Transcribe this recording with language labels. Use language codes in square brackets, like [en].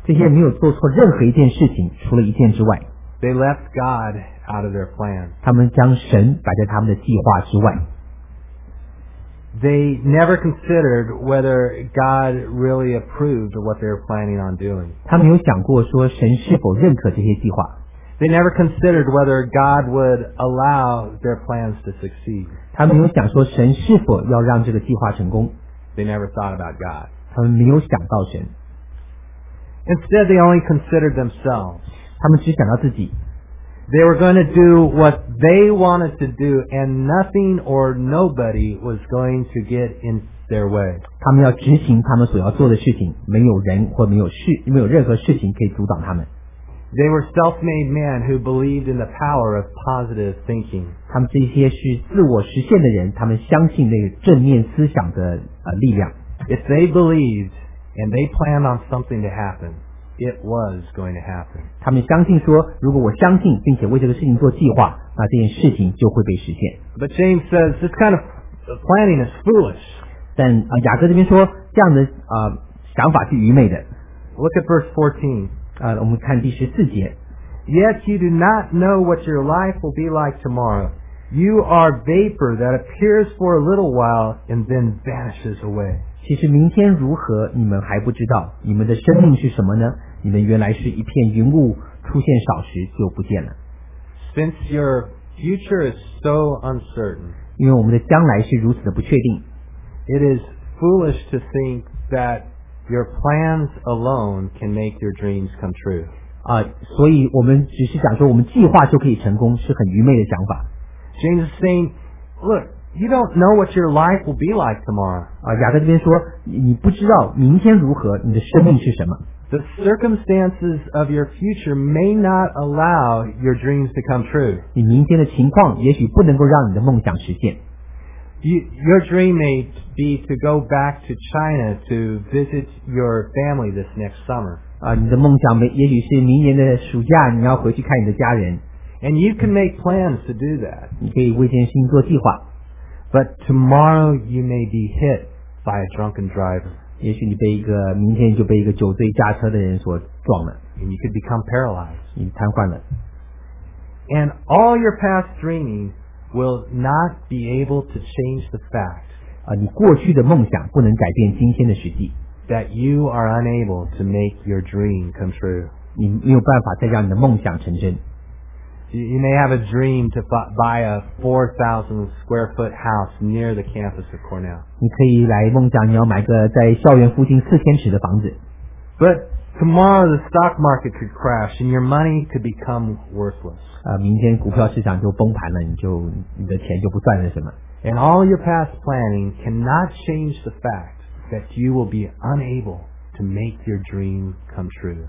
[zh] 这些人没有做错任何一件事情，除了一件之外。 [en] They left God out of their plan. [zh] 他们将神摆在他们的计划之外。 [en] They never considered whether God really approved of what they were planning on doing. [zh] 他没有想过说神是否认可这些计划。 [en] They never considered whether God would allow their plans to succeed. [zh] 他没有想说神是否要让这个计划成功。 [en] They never thought about God. [zh] 他们没有想到神。 [en] Instead, they only considered themselves. [zh] 他们只想到自己。 [en] They were going to do what they wanted to do, and nothing or nobody was going to get in their way. [zh] 他们要执行他们所要做的事情，没有人或没有任何事情可以阻挡他们。 [en] They were self-made men who believed in the power of positive thinking. [zh] 他们这些是自我实现的人，他们相信那个正面思想的力量。 [en] If they believed and they planned on something to happen. It was going to happen. [zh] 他们相信说，如果我相信并且为这个事情做计划，那这件事情就会被实现。 [en] But James says this kind of planning is foolish. [zh] 但雅各这边说，这样的想法是愚昧的。 [en] Look at verse 14. [zh] 我们看第十四节。 [en] Yet you do not know what your life will be like tomorrow. You are vapor that appears for a little while and then vanishes away. [zh] 其实明天如何你们还不知道，你们的生命是什么呢？你们原来是一片云雾，出现少时就不见了。 [en] Since your future is so uncertain, [zh] 因为我们的将来是如此的不确定。 [en] It is foolish to think that your plans alone can make your dreams come true. [zh] 啊，所以我们只是讲说我们计划就可以成功，是很愚昧的想法。 [en] James is saying, look, you don't know what your life will be like tomorrow. [zh] 啊，雅各这边说，你不知道明天如何，你的生命是什么。 [en] The circumstances of your future may not allow your dreams to come true. [zh] 你明天的情况也许不能够让你的梦想实现。 [en] Your dream may be to go back to China to visit your family this next summer. [zh] 啊，你的梦想也许是明年的暑假你要回去看你的家人。 [en] And you can make plans to do that. [zh] 你可以为这件事情做计划。 [en] But tomorrow you may be hit by a drunken driver. [zh] 也许你被一个明天就被一个酒醉驾车的人所撞了 [en] and you could become paralyzed. [zh] 你瘫痪了 [en] and all your past dreaming will not be able to change the fact [zh] 啊，你过去的梦想不能改变今天的实际 [en] that you are unable to make your dream come true. [zh] 你没有办法再让你的梦想成真 [en] You may have a dream to buy a 4,000 square foot house near the campus of Cornell. [zh] 你可以来梦想你要买个在校园附近四千尺的房子。 [en] But tomorrow the stock market could crash and your money could become worthless. [zh] 啊，明天股票市场就崩盘了，你的钱就不算是什么。 [en] And all your past planning cannot change the fact that you will be unable to make your dream come true.